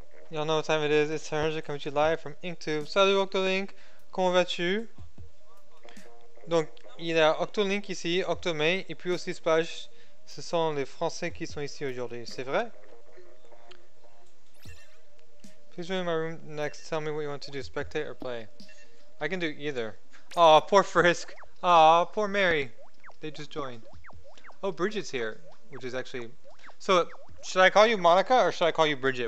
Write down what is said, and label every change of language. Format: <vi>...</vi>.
<en>Y'all know what time it is, it's Tyrantula coming to you live from Inktube.</en> <fr>Salut Octolink, comment vas-tu? Donc, il y a Octolink ici, Octomay, et puis aussi Spage. Ce sont les Français qui sont ici aujourd'hui, c'est vrai?</fr> <en>Please join my room next, tell me what you want to do, spectate or play. I can do either. Aw, poor Frisk. Aw, poor Mary. They just joined. Oh, Bridget's here, which is actually... So, should I call you Monica or should I call you Bridget?</en>